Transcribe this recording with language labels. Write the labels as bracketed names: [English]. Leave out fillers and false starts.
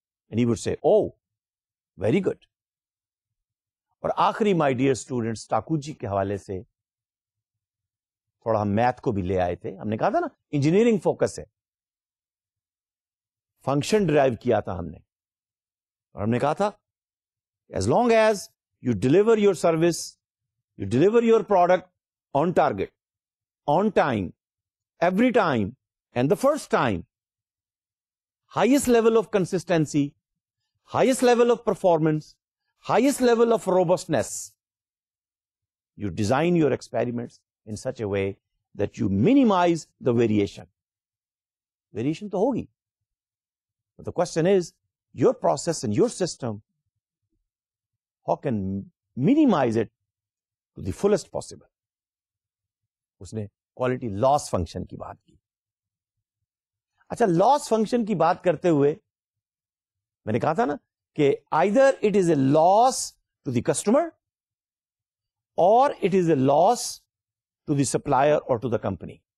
[English] And he would say, oh, very good. [Urdu] اور آخری, [English] my dear students, [Urdu] ٹاکوچی کے حوالے سے تھوڑا ہم میتھ کو بھی لے آئے تھے. ہم نے کہا تھا نا انجینئرنگ فوکس ہے, فنکشن ڈرائیو کیا تھا ہم نے. [English] اور ہم نے کہا تھا as long as you deliver your service, you deliver your product on target, on time, every time and the first time, highest level of consistency, highest level of performance, highest level of robustness, you design your experiments in such a way that you minimize the variation. Variation [Urdu] to hogi. [English] But the question is, your process and your system, how can minimize it to the fullest possible? [Urdu] Usne quality loss function ki baat ki. اچھا, لاس function کی بات کرتے ہوئے میں نے کہا تھا نا کہ [English] Either it is a loss to the customer اور it is a loss to the supplier اور to the company.